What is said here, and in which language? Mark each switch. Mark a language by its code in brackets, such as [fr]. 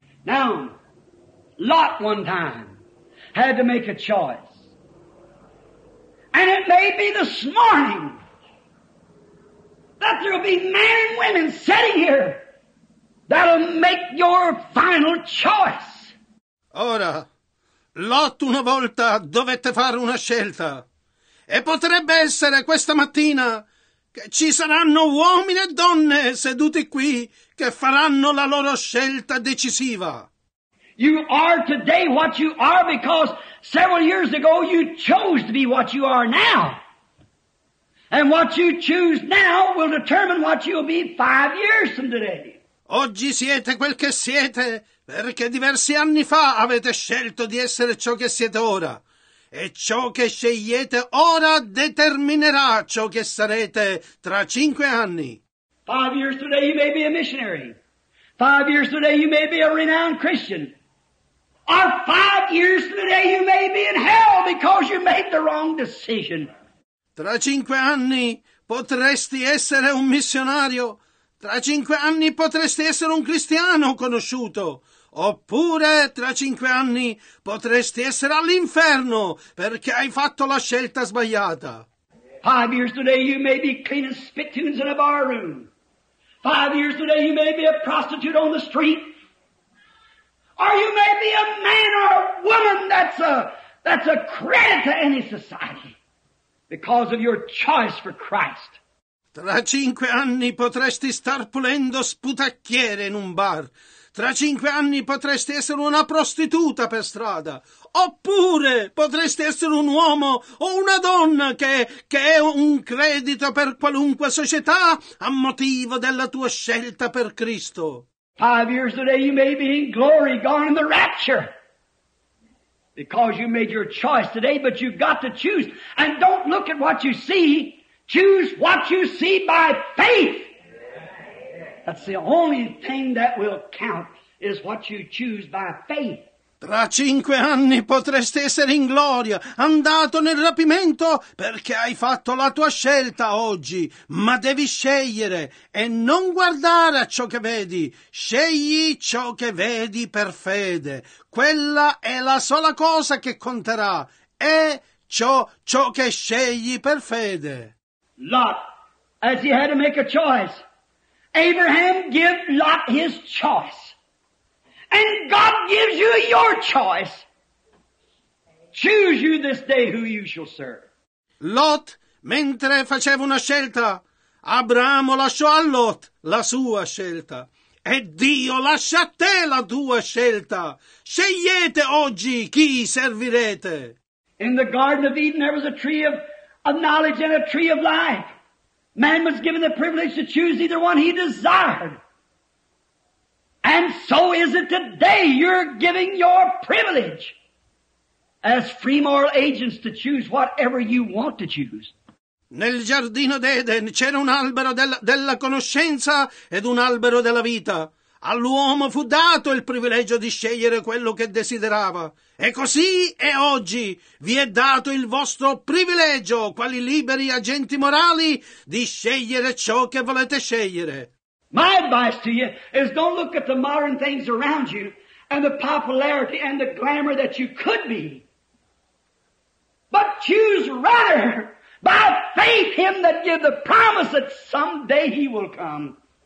[en] Now, Lot one time had to make a choice. And it may be this morning that there will be men and women sitting here that'll make your final choice. [it] Ora, Lot una volta dovette fare una scelta. E potrebbe essere questa mattina che ci saranno uomini e donne seduti qui che faranno la loro scelta decisiva. [en] You are today what you are because several years ago you chose to be what you are now. And what you choose now will determine what you'll be 5 years from today. [it] Oggi siete quel che siete perché diversi anni fa avete scelto di essere ciò che siete ora. E ciò che scegliete ora determinerà ciò che sarete tra 5 anni. [en] 5 years today you may be a missionary. 5 years today you may be a renowned Christian. Or 5 years today you may be in hell because you made the wrong decision. [it] Tra 5 anni potresti essere un missionario. Tra 5 anni potresti essere un cristiano conosciuto. Oppure tra 5 anni potresti essere all'inferno perché hai fatto la scelta sbagliata. [en] 5 years today you may be cleaning spittoons in a bar room. 5 years today you may be a prostitute on the street. Or you may be a man or a woman that's a credit to any society because of your choice for Christ. [it] Tra 5 anni potresti star pulendo sputacchiere in un bar. Tra 5 anni potresti essere una prostituta per strada. Oppure potresti essere un uomo o una donna che è un credito per qualunque società a motivo della tua scelta per Cristo. [en] 5 years today you may be in glory, gone in the rapture. Because you made your choice today, but you've got to choose. And don't look at what you see. Choose what you see by faith. That's the only thing that will count is what you choose by faith. [it] Tra 5 anni potresti essere in gloria, andato nel rapimento perché hai fatto la tua scelta oggi, ma devi scegliere e non guardare a ciò che vedi. Scegli ciò che vedi per fede. Quella è la sola cosa che conterà. È ciò che scegli per fede. [en] Lot, as he had to make a choice, Abraham gave Lot his choice, and God gives you your choice. Choose you this day who you shall serve. [it] Lot, mentre faceva una scelta, Abramo lasciò a Lot la sua scelta, e Dio lascia a te la tua scelta. Scegliete oggi chi servirete. [en] In the Garden of Eden there was a tree of knowledge and a tree of life. Man was given the privilege to choose either one he desired. And so is it today. You're giving your privilege as free moral agents to choose whatever you want to choose. [it] Nel giardino d'Eden c'era un albero della conoscenza ed un albero della vita. All'uomo fu dato il privilegio di scegliere quello che desiderava. E così è oggi. Vi è dato il vostro privilegio, quali liberi agenti morali, di scegliere ciò che volete scegliere. [en] My advice to you is don't look at the modern things around you and the popularity and the glamour that you could be. But choose rather by faith him that gives the promise that someday he will come.